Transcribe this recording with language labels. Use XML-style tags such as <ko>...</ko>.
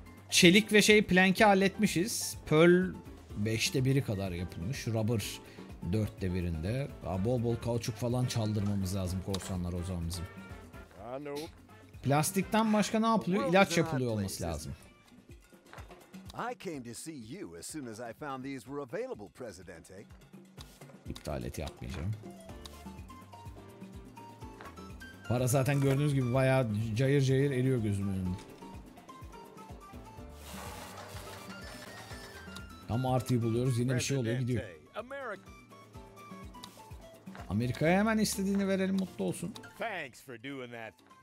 <tr>Çelik ve şey plank'i halletmişiz. Pearl 5'te 1'i kadar yapılmış. Rubber 4'te 1'inde. Bol bol kauçuk falan çaldırmamız lazım korsanlar o zaman bizim. Plastikten başka ne yapılıyor? İlaç yapılıyor olması lazım.</tr> <en>I came to see you as soon as I found these were available, Presidente.</en> <tr>İptal et, yapmayacağım. Para zaten gördüğünüz gibi bayağı cayır cayır eriyor gözümün önünde. Ama artıyı buluyoruz. Yine bir şey oluyor, gidiyor. Amerika'ya hemen istediğini verelim, mutlu olsun.</tr> <en>Thanks for doing that.</en>